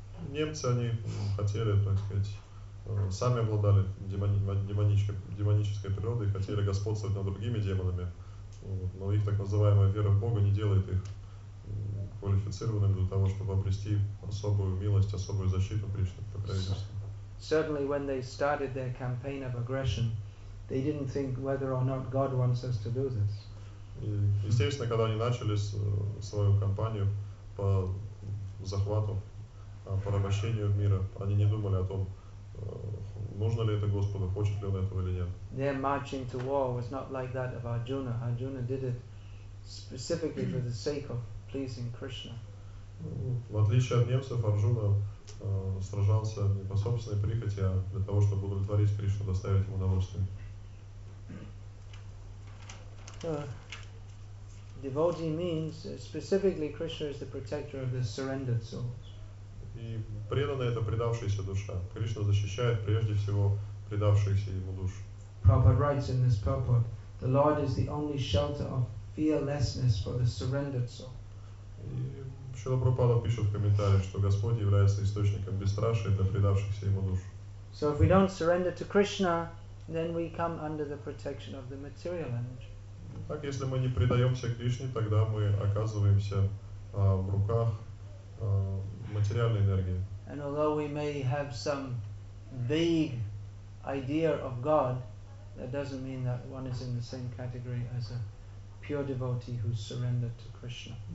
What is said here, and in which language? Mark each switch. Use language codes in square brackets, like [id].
[ru] Немцы, они хотели, так сказать, сами обладали демонической природой, хотели господствовать над другими демонами, но их так называемая вера в Бога не делает их квалифицированными для того, чтобы обрести особую милость, особую защиту Кришны, покровительство. [en] Certainly when they started their campaign of aggression, they didn't think whether or not God wants us to do this. [ru] Естественно, когда они начали свою кампанию по захвату, по обращению мира, они не думали о том, нужно ли это Господу, хочет ли он этого или нет. [en] Their marching to war was not like that of Arjuna. Arjuna did it specifically for the sake of pleasing Krishna. [ru] В отличие от немцев, Арджуна сражался не по собственной прихоти, а для того, чтобы удовлетворить Кришну, доставить ему удовольствие. [en] Devotee means specifically Krishna is the protector of the surrendered souls. [ru] И преданный — это предавшаяся душа. Кришна защищает прежде всего предавшихся ему душ. [en] Prabhupada writes in this purport, the Lord is the only shelter of fearlessness for the surrendered soul. [ru] Шрила Прабхупада пишет в комментарии, что Господь является источником бесстрашия для предавшихся Ему душ. [en] So if we don't surrender to Krishna, then we come under the protection of the material energy. [ru] Так, если мы не предаемся Кришне, тогда мы оказываемся в руках материальной энергии. [en] And although we may have some vague idea of God, that doesn't mean that one is in the same category as a pure devotee who surrendered to Krishna.